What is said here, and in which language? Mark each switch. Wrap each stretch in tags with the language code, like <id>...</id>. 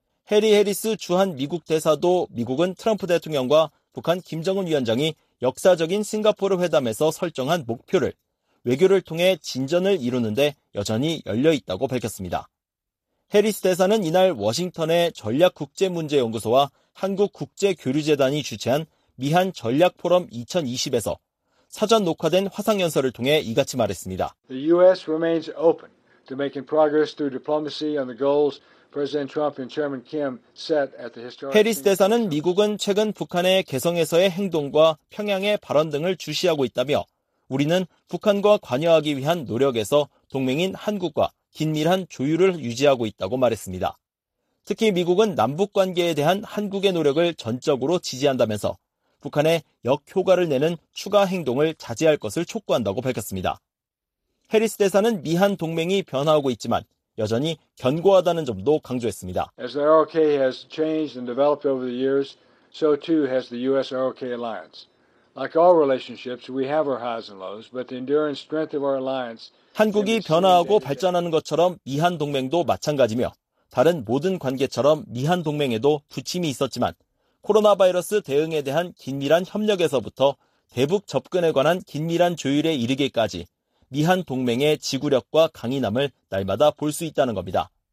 <ko>해리 해리스 주한 미국 대사도 미국은 트럼프 대통령과 북한 김정은 위원장이 역사적인 싱가포르 회담에서 설정한 목표를 외교를 통해 진전을 이루는데 여전히 열려있다고 밝혔습니다. 해리스 대사는 이날 워싱턴의 전략국제문제연구소와 한국국제교류재단이 주최한 미한 전략포럼 2020에서 사전 녹화된 화상연설을 통해 이같이 말했습니다.</ko> <en>The U.S. remains open to making progress through diplomacy on the goals President Trump and Chairman Kim set at the historic.</en> <ko>해리스 대사는 미국은 최근 북한의 개성에서의 행동과 평양의 발언 등을 주시하고 있다며 우리는 북한과 관여하기 위한 노력에서 동맹인 한국과 긴밀한 조율을 유지하고 있다고 말했습니다. 특히 미국은 남북 관계에 대한 한국의 노력을 전적으로 지지한다면서 북한의 역효과를 내는 추가 행동을 자제할 것을 촉구한다고 밝혔습니다. 해리스 대사는 미한 동맹이 변화하고 있지만 여전히 견고하다는 점도 강조했습니다.</ko> <en>As the ROK has changed and developed over the years, so too has the US-ROK alliance. Like all relationships, we have our highs and lows, but the enduring strength of our alliance.</en> <ko>한국이 변화하고 발전하는 것처럼 미한 동맹도 마찬가지며 다른 모든 관계처럼 미한 동맹에도 부침이 있었지만 코로나 바이러스 대응에 대한 긴밀한 협력에서부터 대북 접근에 관한 긴밀한 조율에 이르기까지 미한 동맹의 지구력과 강인함을 날마다 볼 수 있다는 겁니다.</ko>